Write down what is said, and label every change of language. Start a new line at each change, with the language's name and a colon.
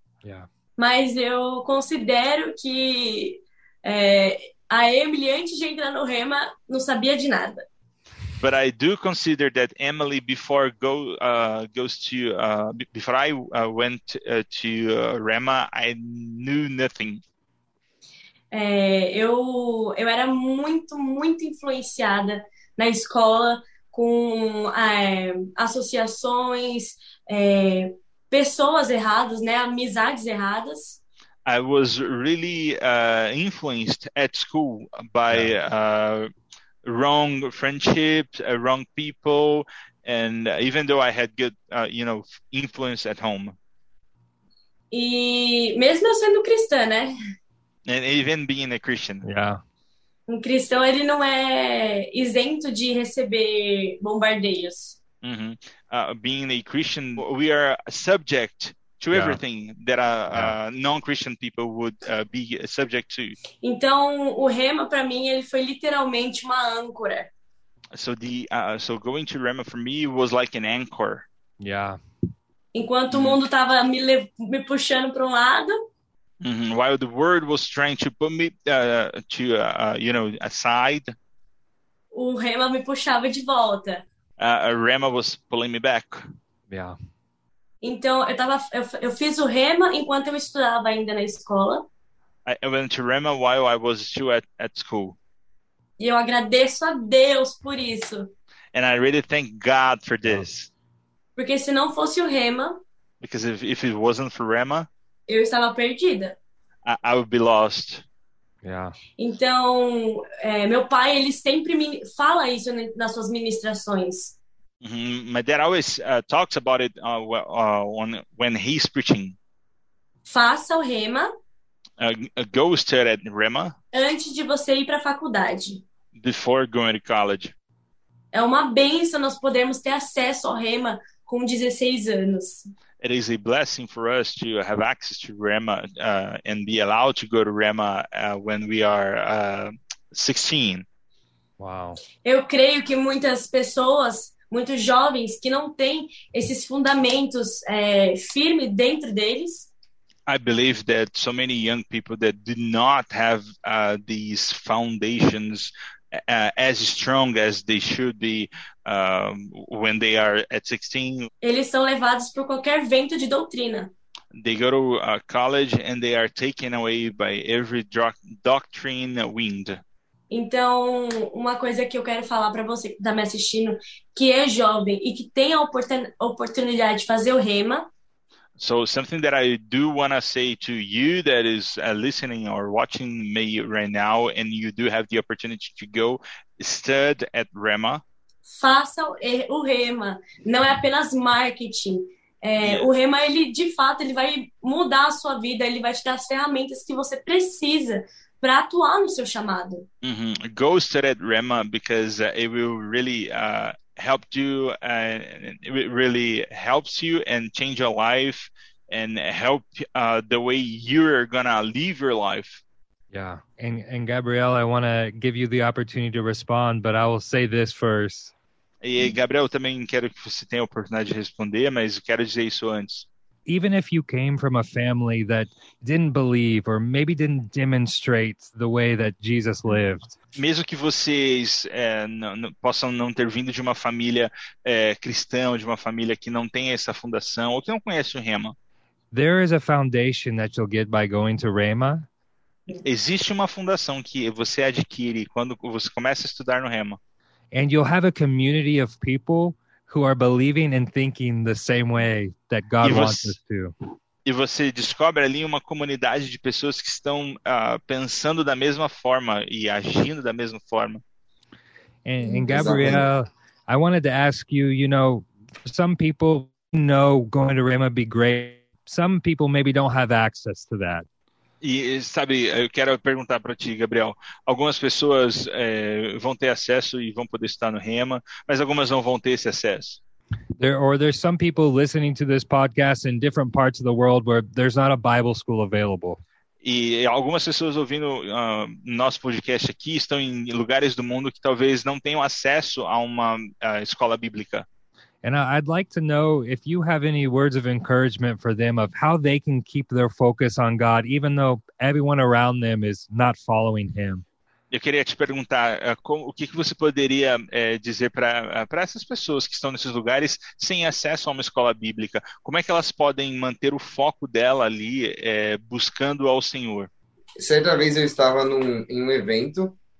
English: Yeah.
Portuguese: Mas eu considero que a Emily, antes de entrar no Rhema, não sabia de nada.
English: But I do consider that Emily, before I went to Rema, I knew nothing.
Portuguese: Eu era muito, muito influenciada na escola com associações, pessoas erradas, né, amizades erradas.
English: I was really influenced at school by wrong friendships, wrong people, and even though I had good, influence at home.
Portuguese: E mesmo eu sendo cristã, né?
English: And even being a Christian. Yeah.
Portuguese: Um cristão, ele não é isento de receber bombardeios. Mm-hmm.
English: Being a Christian, we are subject to everything that non-Christian people would be subject to.
Portuguese: Então, o Rema, para mim, ele foi literalmente uma âncora.
English: So going to Rema for me was like an anchor. Yeah.
Portuguese: Enquanto o mundo tava me puxando para um lado. Mm-hmm.
English: While the world was trying to put me aside,
Portuguese: o Rema me puxava de volta.
English: Rema was pulling me back. Yeah.
Portuguese: Então eu fiz o Rema enquanto eu estudava ainda na escola.
English: I went to Rema while I was still at school.
Portuguese: E eu agradeço a Deus por isso.
English: And I really thank God for this.
Portuguese: Porque se não fosse o Rema,
English: because if it wasn't for Rema,
Portuguese: eu estava perdida.
English: I would be lost. Yeah.
Portuguese: Então, meu pai, ele sempre me fala isso nas suas ministrações. Mm-hmm.
English: My dad always talks about it when he's preaching.
Portuguese: Faça o Rema.
English: Go study at Rema.
Portuguese: Antes de você ir para a faculdade.
English: Before going to college.
Portuguese: É uma bênção nós podermos ter acesso ao Rema com 16 anos.
English: It is a blessing for us to have access to Rema and be allowed to go to Rema when we are 16. Wow.
Portuguese: Eu creio que muitas pessoas, muitos jovens que não têm esses fundamentos firmes dentro deles.
English: I believe that so many young people that do not have these foundations as strong as they should be when they are at 16.
Portuguese: Eles são levados por qualquer vento de doutrina.
English: They go to college and they are taken away by every doctrine wind.
Portuguese: Então, uma coisa que eu quero falar para você que está me assistindo, que é jovem e que tem a oportunidade de fazer o Rema.
English: So, something that I do want to say to you that is listening or watching me right now, and you do have the opportunity to go study at Rema.
Portuguese: Faça o Rema. Não é apenas marketing. O Rema, ele de fato, ele vai mudar a sua vida, ele vai te dar as ferramentas que você precisa para atuar no seu chamado. Mm-hmm.
English: Go study at Rema because it will really help you, it really helps you and change your life and help the way you're gonna live your life. Yeah, and Gabriel, I want to give you the opportunity to respond, but I will say this first.
Portuguese: E Gabriel, também quero que você tenha a oportunidade de responder, mas quero dizer isso antes.
English: Even if you came from a family that didn't believe or maybe didn't demonstrate the way that Jesus lived.
Portuguese: Mesmo que vocês possam não ter vindo de uma família cristã, de uma família que não tem essa fundação ou que não conhece o Rema.
English: There is a foundation that you'll get by going to Rema.
Portuguese: Existe uma fundação que você adquire quando você começa a estudar no Rema.
English: And you'll have a community of people who are believing and thinking the same way that God wants us to.
Portuguese: E você descobre ali uma comunidade de pessoas que estão pensando da mesma forma e agindo da mesma forma.
English: And Gabriel, I wanted to ask you, some people know going to Rema would be great. Some people maybe don't have access to that.
Portuguese: E sabe, eu quero perguntar para ti, Gabriel. Algumas pessoas vão ter acesso e vão poder estar no Rema, mas algumas não vão ter esse acesso.
English: There's some people listening to this podcast in different parts of the world where there's not a Bible school available.
Portuguese: E algumas pessoas ouvindo nosso podcast aqui estão em lugares do mundo que talvez não tenham acesso a uma escola bíblica.
English: And I'd like to know if you have any words of encouragement for them of how they can keep their focus on God, even though everyone around them is not following him.
Portuguese: Eu queria te perguntar como, o que que você poderia dizer para essas pessoas que estão nesses lugares sem acesso a uma escola bíblica? Como é que elas podem manter o foco dela ali, buscando ao Senhor? Certa vez eu estava em um evento.